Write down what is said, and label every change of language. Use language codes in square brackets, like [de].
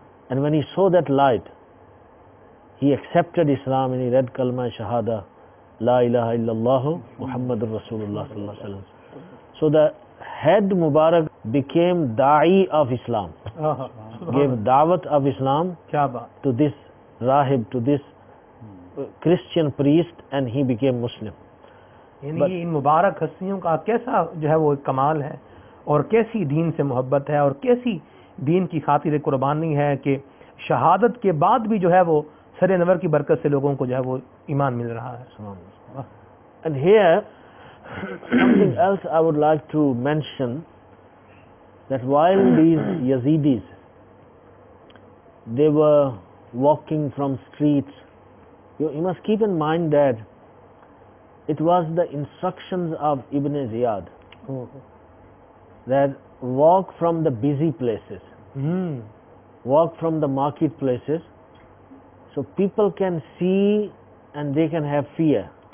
[en] And when he saw that light, he accepted Islam and he read Kalma Shahada, La ilaha illallah Muhammadur Rasulullah sallallahu alaihi wasallam. So the head Mubarak became da'i of Islam, gave da'wat of Islam to this rahib, to this Christian priest, and he became Muslim. [ur] یعنی ان مبارک ہستیوں کا کیسا جو ہے وہ کمال ہے اور کیسی دین سے محبت ہے اور کیسی دین کی خاطر قربانی ہے کہ شہادت کے بعد بھی جو ہے وہ سر انور کی برکت سے لوگوں کو جو ہے وہ ایمان مل رہا ہے۔ [en] Something else I would like to mention, that while these Yazidis, they were walking from streets, you must keep in mind that it was the instructions of Ibn Ziyad that walk from the busy places, walk from the market places, so people can see and they can have fear.